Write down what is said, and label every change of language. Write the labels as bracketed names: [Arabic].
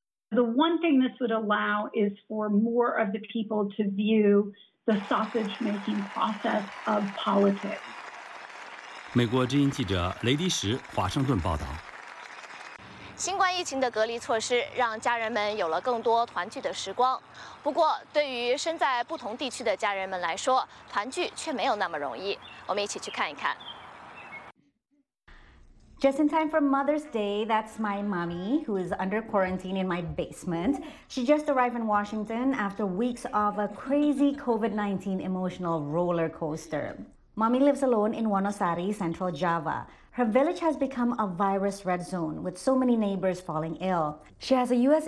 [English] The one thing this would allow is for more of the people to view the sausage-making process of politics. [Chinese] 美国之音记者雷迪什华盛顿报道。新冠疫情的隔离措施让家人们有了更多团聚的时光，不过对于身在不同地区的家人们来说，团聚却没有那么容易。我们一起去看一看。 [English] Just in time for Mother's Day, that's my mommy, who is under quarantine in my basement. She just arrived in Washington after weeks of a crazy COVID-19 emotional roller coaster. Mommy lives alone in Wanasari, Central Java. Her village has become a virus red zone, with so many neighbors falling ill. She has a U.S.